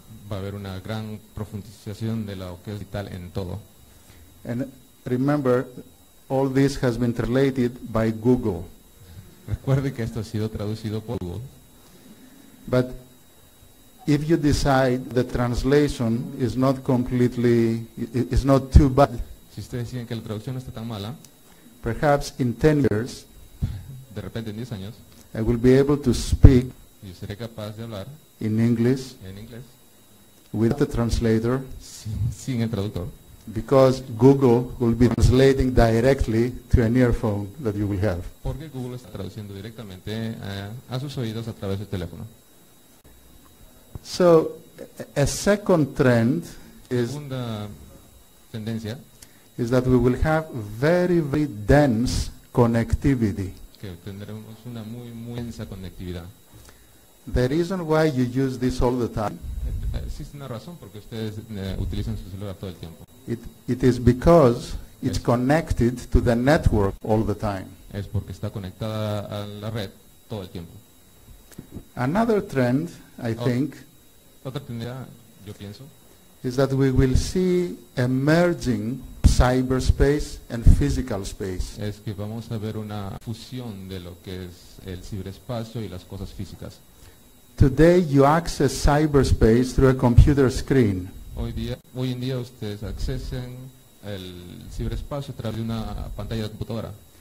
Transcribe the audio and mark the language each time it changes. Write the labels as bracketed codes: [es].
[es] Va a haber una gran profundización de lo que es digital en todo. [en] And remember, all this has been translated by Google. [es] Recuerde que esto ha sido traducido por Google. [en] But If you decide the translation is not completely, is not too bad, [es] si ustedes deciden que la traducción no está tan mala, [en] perhaps in 10 years, [es] de repente en 10 años, [en] I will be able to speak, [es] yo seré capaz de hablar, [en] in English, [es] en inglés, [en] with the translator, [es] sin el traductor, [en] because Google will be translating directly to an earphone that you will have. [es] Porque Google está traduciendo directamente a sus oídos a través del teléfono. [en] So, a second trend is, [es] segunda tendencia, [en] is that we will have very, very dense connectivity. [es] Que tendremos una muy, muy densa conectividad. [en] The reason why you use this all the time, [es] existe una razón porque ustedes utilizan su celular todo el tiempo. [en] It is because it's connected to the network all the time. [es] Es porque está conectada a la red todo el tiempo. [en] Another trend, I think, [es] otra tendencia, yo pienso, [en] is that we will see emerging cyberspace and physical space. [es] Es que vamos a ver una fusión de lo que es el ciberespacio y las cosas físicas. [en] Today you access cyberspace through a computer screen. [es] Hoy en día ustedes accesan el ciberespacio a través de una pantalla de computadora.